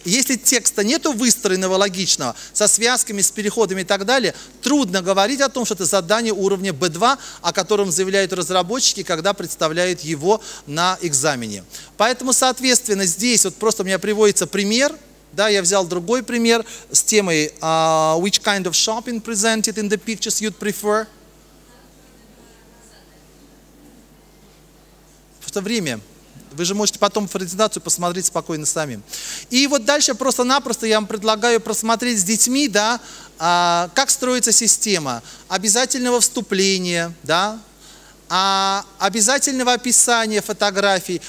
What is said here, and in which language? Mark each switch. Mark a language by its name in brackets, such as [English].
[Russian] Если текста нету выстроенного, логичного, со связками, с переходами и так далее, трудно говорить о том, что это задание уровня B2, о котором заявляют разработчики, когда представляют его на экзамене. Поэтому, соответственно, здесь вот просто у меня приводится пример. Да, я взял другой пример с темой [English] «Which kind of shopping presented in the pictures you'd prefer?» [Russian] В то время... Вы же можете потом презентацию посмотреть спокойно сами. И вот дальше просто-напросто я вам предлагаю просмотреть с детьми, да, как строится система обязательного вступления, да, обязательного описания фотографий.